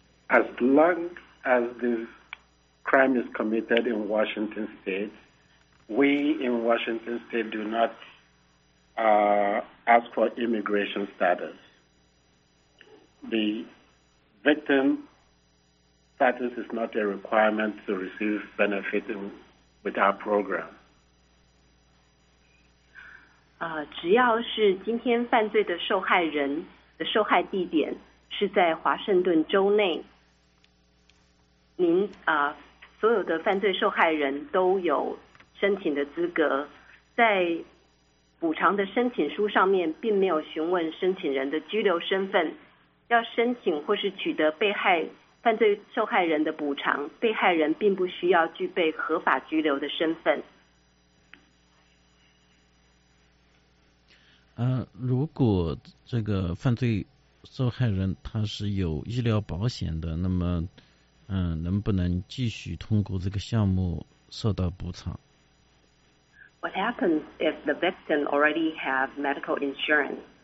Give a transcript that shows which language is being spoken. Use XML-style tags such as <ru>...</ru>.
<en>As long as the crime is committed in Washington State, we in Washington State do not ask for immigration status. The victim status is not a requirement to receive benefit with our program.</en> <zh>只要是今天犯罪的受害人的受害地点是在华盛顿州内，您所有的犯罪受害人都有申请的资格。在补偿的申请书上面并没有询问申请人的居留身份，要申请或是取得犯罪受害人的补偿，被害人并不需要具备合法居留的身份。如果这个犯罪受害人他是有医疗保险的，那么能不能继续通过这个项目受到补偿？</zh> <en>What happens if the victim already have medical insurance?</en>